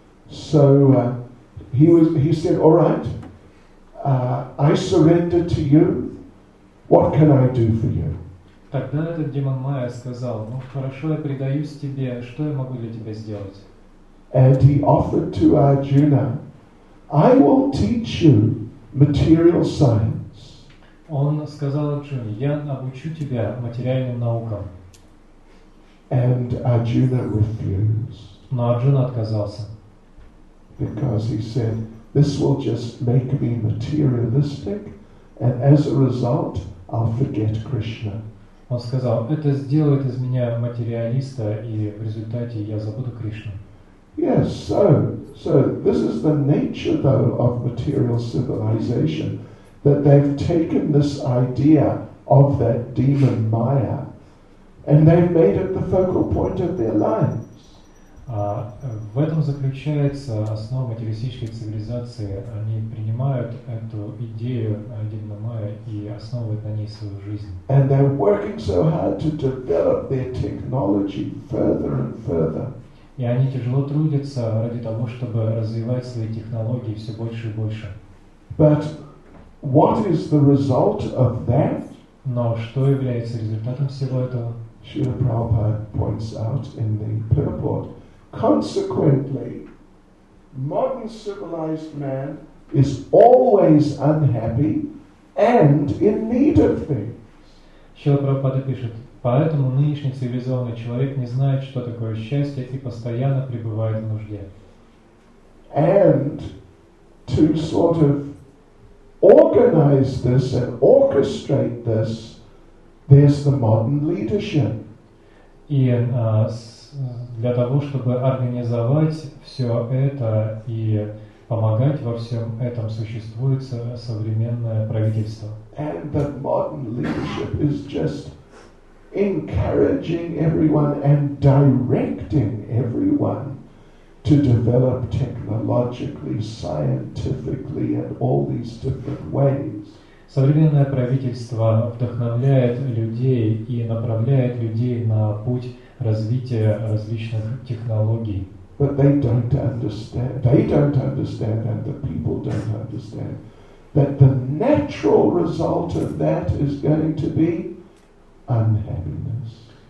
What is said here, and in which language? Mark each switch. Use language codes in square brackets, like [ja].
[en] So he said, "All right, I surrender to you. What can I do for you?" [ru] Тогда этот демон Майя сказал: "Ну хорошо, я предаюсь тебе. Что я могу для тебя сделать?" [en] And he offered to Arjuna, "I will teach you material science." [ru] Он сказал Арджуне: "Я обучу тебя материальным наукам." [en] And Arjuna refused. [ru] Но Арджуна отказался. [en] Because he said, "This will just make me materialistic, and as a result, I'll forget Krishna." [ru] Он сказал, это сделает из меня материалиста, и в результате я забуду Кришну. [en] Yes, so this is the nature, though, of material civilization, that they've taken this idea of that demon Maya, and they've made it the focal point of their lives. [ru] В этом заключается основа материалистической цивилизации. Они принимают эту идею демона Майя и основывают на ней свою жизнь. [en] And they're working so hard to develop their technology further and further. [ru] И они тяжело трудятся ради того, чтобы развивать свои технологии все больше и больше. [en] But what is the result of that? [ru] Но что является результатом всего этого? [en] Srila Prabhupada points out in the purport. Consequently, modern civilized man is always unhappy and in need of things. [ru] Srila Prabhupada пишет, поэтому нынешний цивилизованный человек не знает, что такое счастье, и постоянно пребывает в нужде. [en] And to sort of organize this and orchestrate this, there's the modern leadership. [ru] И для того, чтобы организовать все это и помогать во всем этом, существует современное правительство. [en] And the modern leadership is just encouraging everyone and directing everyone to develop technologically, scientifically, and all these different ways. [ru] Современное правительство вдохновляет людей и направляет людей на путь развития различных технологий. [en] But they don't understand. They don't understand, and the people don't understand that the natural result of that is going to be unhappiness.